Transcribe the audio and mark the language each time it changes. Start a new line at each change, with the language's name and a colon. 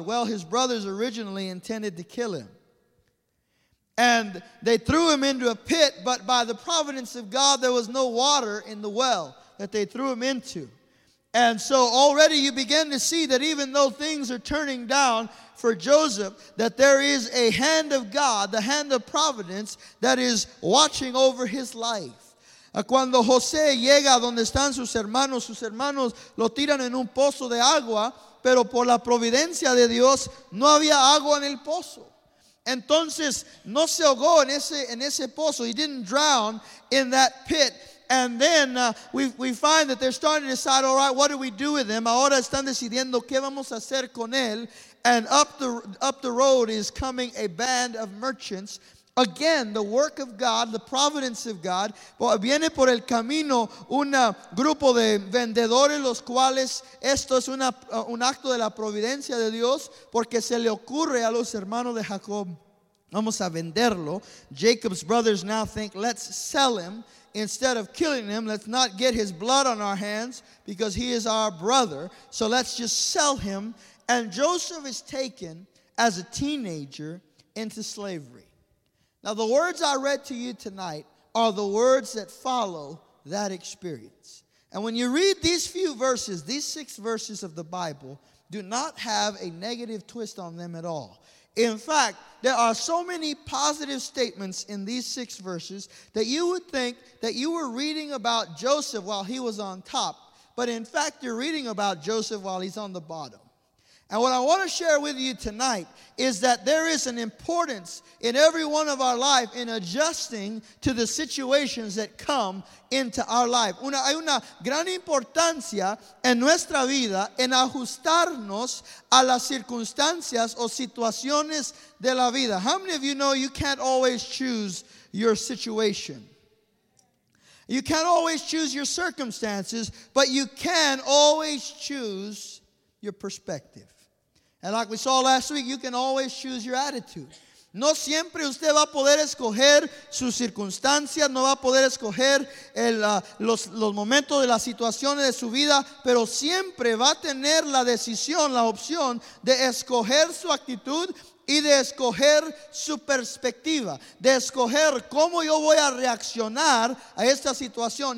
English: Well, his brothers originally intended to kill him, and they threw him into a pit, but by the providence of God, there was no water in the well that they threw him into. And so already you begin to see that even though things are turning down for Joseph, that there is a hand of God, the hand of providence, that is watching over his life.
Spanish: Cuando José llega donde están sus hermanos lo tiran en un pozo de agua, pero por la providencia de Dios no había agua en el pozo. Entonces no se ahogó en ese pozo.
English: He didn't drown in that pit. And then we find that they're starting to decide, all right, what do we do with him?
Spanish: Ahora están decidiendo qué vamos a hacer con él.
English: And up the road is coming a band of merchants. Again, the work of God, the providence of God.
Spanish: Viene por el camino un grupo de vendedores, los cuales esto es un acto de la providencia de Dios, porque se le ocurre a los hermanos de Jacob, vamos a venderlo.
English: Jacob's brothers now think, let's sell him. Instead of killing him, let's not get his blood on our hands, because he is our brother. So let's just sell him. And Joseph is taken as a teenager into slavery. Now the words I read to you tonight are the words that follow that experience. And when you read these few verses, these six verses of the Bible, do not have a negative twist on them at all. In fact, there are so many positive statements in these six verses that you would think that you were reading about Joseph while he was on top, but in fact, you're reading about Joseph while he's on the bottom. And what I want to share with you tonight is that there is an importance in every one of our life in adjusting to the situations that come into our life.
Spanish: Hay una gran importancia en nuestra vida en ajustarnos a las circunstancias o situaciones de la vida.
English: How many of you know you can't always choose your situation? You can't always choose your circumstances, but you can always choose your perspective. And like we saw last week, you can always choose your attitude.
Spanish: No siempre usted va a poder escoger sus circunstancias, no va a poder escoger los momentos de las situaciones de su vida, pero siempre va a tener la decisión, la opción de escoger su actitud y de escoger su perspectiva, de escoger cómo yo voy a reaccionar a esta situación.